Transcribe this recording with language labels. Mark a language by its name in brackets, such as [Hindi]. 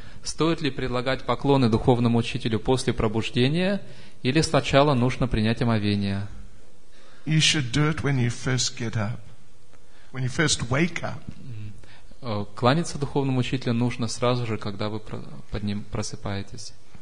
[Russian] Стоит ли предлагать поклоны духовному учителю после пробуждения, или сначала нужно принять омовение? [English] You should do it when you first get up, when you first wake up. [Russian] Кланяться духовному учителю нужно сразу же, когда вы под ним просыпаетесь.